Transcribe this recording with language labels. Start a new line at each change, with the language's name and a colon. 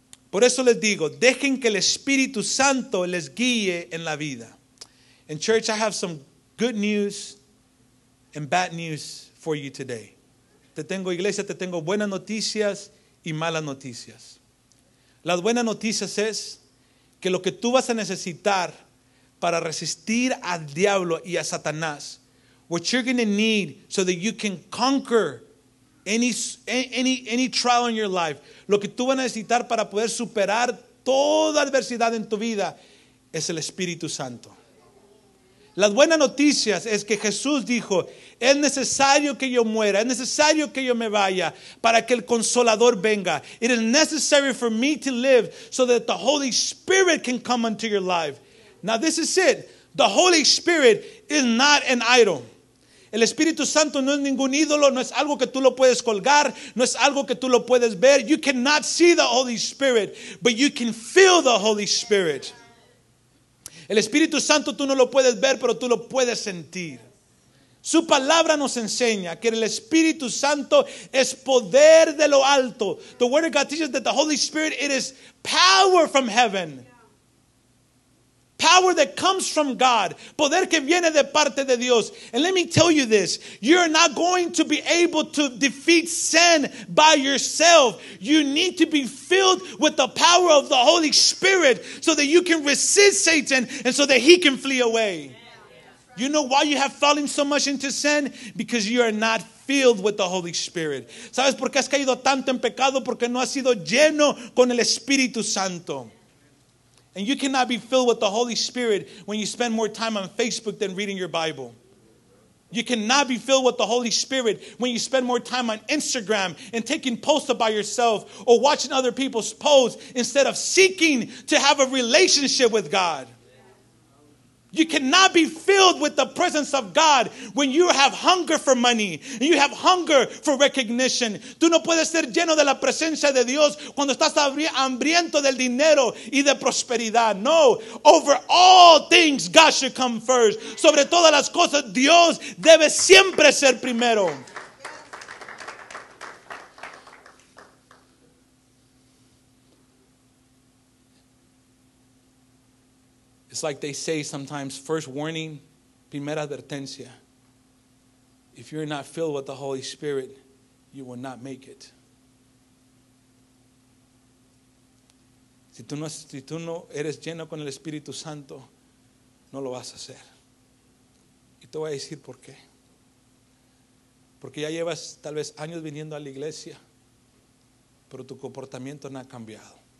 Spanish: Por eso les digo, dejen que el Espíritu Santo les guíe en la vida.
English: And church, I have some good news and bad news for you today.
Spanish: Te tengo, iglesia, te tengo buenas noticias y malas noticias. Las buenas noticias es que lo que tú vas a necesitar para resistir al diablo y a Satanás,
English: what you're going to need so that you can conquer any trial in your life,
Spanish: lo que tú vas a necesitar para poder superar toda adversidad en tu vida es el Espíritu Santo. Las buenas noticias es que Jesús dijo, es necesario que yo muera, es necesario que yo me vaya para que el Consolador venga.
English: It is necessary for me to live so that the Holy Spirit can come into your life. Now this is it. The Holy Spirit is not an idol.
Spanish: El Espíritu Santo no es ningún ídolo, no es algo que tú lo puedes colgar, no es algo que tú lo puedes ver.
English: You cannot see the Holy Spirit, but you can feel the Holy Spirit.
Spanish: El Espíritu Santo tú no lo puedes ver, pero tú lo puedes sentir. Su palabra nos enseña que el Espíritu Santo es poder de lo alto.
English: The word of God teaches that the Holy Spirit, it is power from heaven. Power that comes from God.
Spanish: Poder que viene de parte de Dios.
English: And let me tell you this. You're not going to be able to defeat sin by yourself. You need to be filled with the power of the Holy Spirit so that you can resist Satan and so that he can flee away. You know why you have fallen so much into sin? Because you are not filled with the Holy Spirit.
Spanish: ¿Sabes por qué has caído tanto en pecado? Porque no has sido lleno con el Espíritu Santo.
English: And you cannot be filled with the Holy Spirit when you spend more time on Facebook than reading your Bible. You cannot be filled with the Holy Spirit when you spend more time on Instagram and taking posts by yourself or watching other people's posts instead of seeking to have a relationship with God. You cannot be filled with the presence of God when you have hunger for money and you have hunger for recognition.
Spanish: Tú no puedes ser lleno de la presencia de Dios cuando estás hambriento del dinero y de prosperidad. No.
English: Over all things, God should come first.
Spanish: Sobre todas las cosas, Dios debe siempre ser primero.
English: It's like they say sometimes, first warning,
Spanish: primera advertencia.
English: If you're not filled with the Holy Spirit, you will not make it.
Spanish: Si tú no eres lleno con el Espíritu Santo, no lo vas a hacer. Y te voy a decir por qué. Porque ya llevas tal vez años viniendo a la iglesia, pero tu comportamiento no ha cambiado.